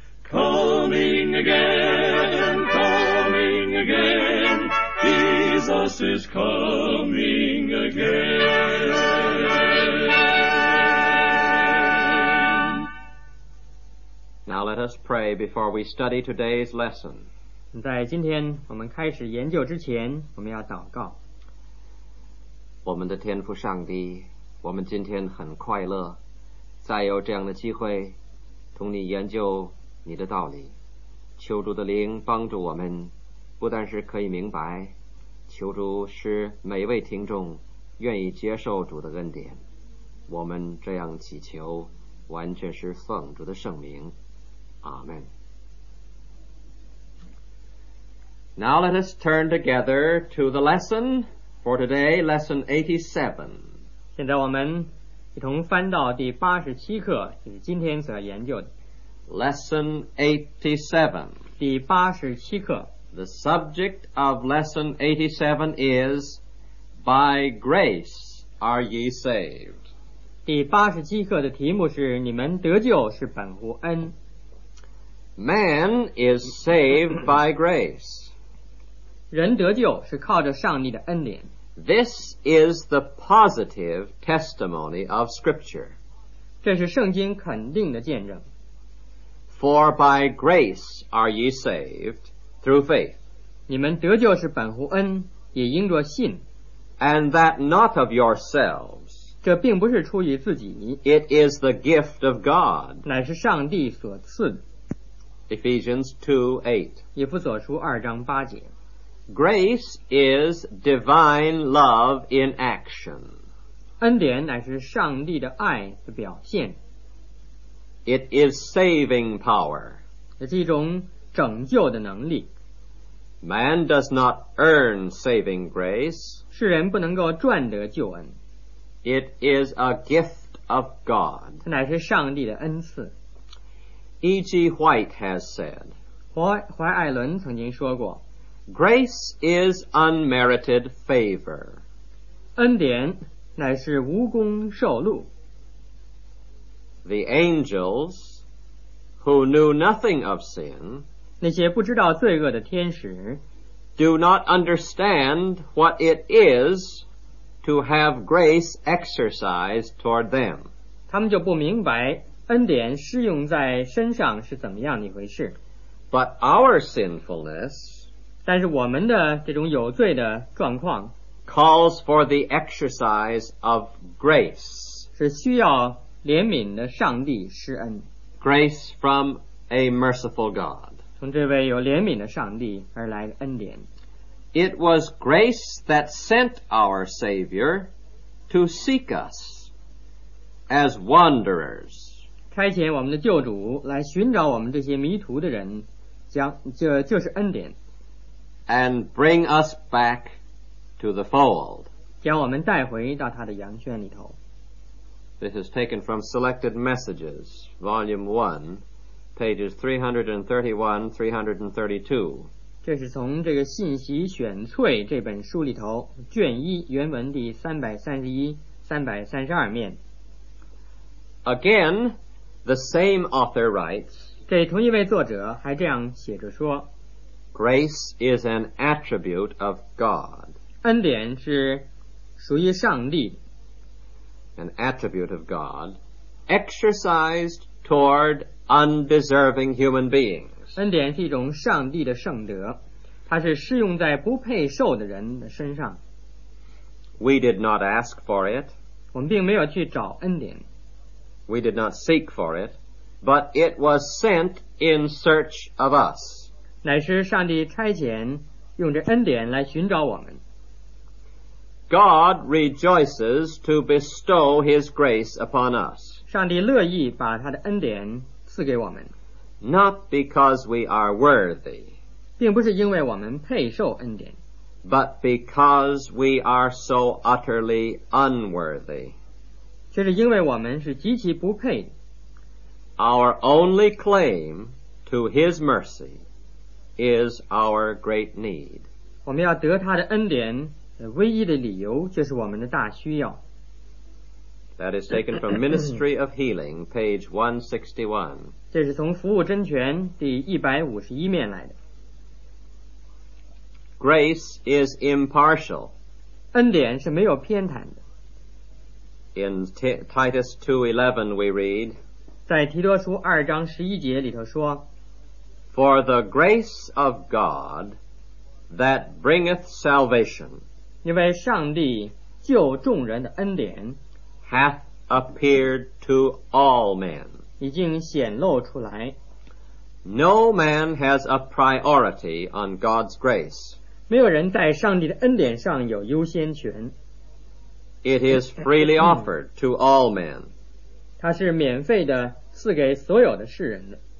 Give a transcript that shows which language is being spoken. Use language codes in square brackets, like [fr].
[en] Coming again, coming again, Jesus is coming again. Now let us pray before we study today's lesson. [zh] 在今天我们开始研究之前，我们要祷告。我们的天父上帝，我们今天很快乐，再有这样的机会，同你研究你的道理，求主的灵帮助我们，不但是可以明白，求主使每位听众愿意接受主的恩典。我们这样祈求，完全是奉主的圣名，阿们。 [en] Now let us turn together to the lesson for today, lesson 87. [zh] 现在我们一同翻到第八十七课，就是今天所要研究的。 [en] Lesson 87. The subject of Lesson 87 is By Grace Are Ye Saved. [zh] 第八十七课的题目是你们得救是本乎恩。 [en] Man is saved by grace. [zh] 人得救是靠着上帝的恩典。 [en] This is the positive testimony of Scripture. [zh] 这是圣经肯定的见证。 [en] For by grace are ye saved through faith. [zh] 你们得救是本乎恩，也因着信。 [en] And that not of yourselves. [zh] 这并不是出于自己。 [en] It is the gift of God. [zh] 乃是上帝所赐的。 [en] Ephesians 2:8. [zh] 以弗所书二章八节。 [en] Grace is divine love in action. [zh] 恩典乃是上帝的爱的表现。 [en] It is saving power. [zh] 这是一种拯救的能力。 [en] Man does not earn saving grace. [zh] 世人不能够赚得救恩。 [en] It is a gift of God. [zh] 它乃是上帝的恩赐。 [en] E.G. White has said, [zh] 怀艾伦曾经说过, [en] Grace is unmerited favor. [zh] 恩典乃是无功受禄。 [en] The angels who knew nothing of sin, [zh] 那些不知道罪恶的天使, [en] do not understand what it is to have grace exercised toward them. [zh] 他们就不明白恩典施用在身上是怎么样一回事。 [en] But our sinfulness, [zh] 但是我们的这种有罪的状况, [en] calls for the exercise of grace. [zh] 是需要怜悯的上帝施恩。 [en] Grace from a merciful God. [zh] 从这位有怜悯的上帝而来的恩典。 [en] It was grace that sent our Savior to seek us as wanderers. [zh] 差遣我们的救主来寻找我们这些迷途的人，就是恩典。 [en] And bring us back to the fold. [zh] 将我们带回到他的羊圈里头。 [en] This is taken from Selected Messages, Volume 1, pages 331, [zh] 332. 这是从这个信息选粹这本书里头，卷一，原文第331、332面。 [en] Again, the same author writes, [zh] 这同一位作者还这样写着说, [en] Grace is an attribute of God. [zh] 恩典是属于上帝。 [en] An attribute of God exercised toward undeserving human beings. [zh] 恩典是一种上帝的圣德，它是适用在不配受的人的身上。 [en] We did not ask for it. [zh] 我们并没有去找恩典。 [en] We did not seek for it, but it was sent in search of us. [zh] 乃是上帝差遣用着恩典来寻找我们。 [en] God rejoices to bestow His grace upon us. [zh] 上帝乐意把他的恩典赐给我们。 [en] Not because we are worthy. [zh] 并不是因为我们配受恩典。 [en] But because we are so utterly unworthy. [zh] 却是因为我们是极其不配。 [en] Our only claim to his mercy is our great need. [zh] 我们要得他的恩典，唯一的理由就是我们的大需要。 [en] That is taken from Ministry of Healing, page 161. [zh] 这是从服务真权第151面来的。 [en] Grace is impartial. [zh] 恩典是没有偏袒的。 [en] In Titus 2:11 we read, [zh] 在提多书二章十一节里头说， [en] For the grace of God that bringeth salvation, [zh] 因为上帝救众人的恩典， [en] hath appeared to all men, [zh] 已经显露出来。 [en] No man has a priority on God's grace, [zh] 没有人在上帝的恩典上有优先权。 [en] It is freely offered to all men, [zh] 它是免费的赐给所有的世人的。